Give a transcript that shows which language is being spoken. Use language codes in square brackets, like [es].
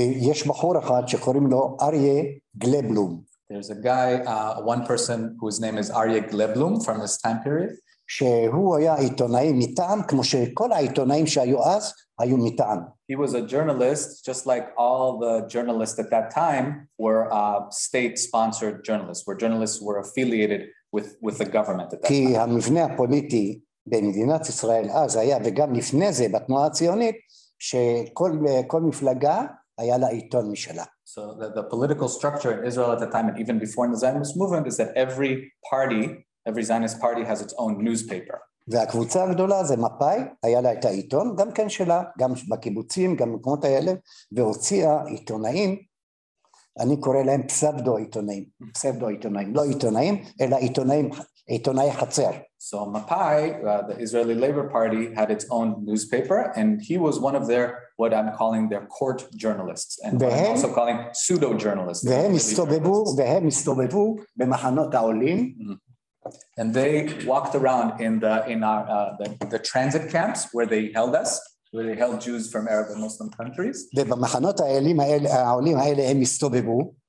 [he] יש בחור אחד שקוראים לו אריה גלבלום. [en] There's a guy, one person whose name is Aryeh Gleblum from this time period. [he] שהוא היה עיתונאי מטעם, כמו שכל העיתונאים שהיו אז היו מטעם. [en] He was a journalist, just like all the journalists at that time were state-sponsored journalists, where journalists were affiliated with the government at that time. [he] כי המבנה הפוליטי במדינת ישראל אז היה, וגם לפני זה בתנועה הציונית, שכל מפלגה היה לה עיתון משלה. [en] So the political structure in Israel at the time and even before the Zionist movement is that every Zionist party has its own newspaper. [he] והקבוצה הגדולה זה מפאי, היה לה את העיתון, גם כן שלה, גם בקיבוצים, גם במקומות האלה, והוציאה עיתונאים, אני קורא להם פסבדו עיתונאים, לא עיתונאים, אלא עיתונאי חצר. [en] So מפאי, the Israeli Labor Party, had its own newspaper, and he was one of their, what I'm calling their court journalists, and [he] והם, [en] also calling pseudo-journalists. [he] והם הסתובבו במחנות העולים, [en] And they walked around in the transit camps where they held us, where they held Jews from Arab and Muslim countries. [he] ובמחנות העולים האלה הם הסתובבו.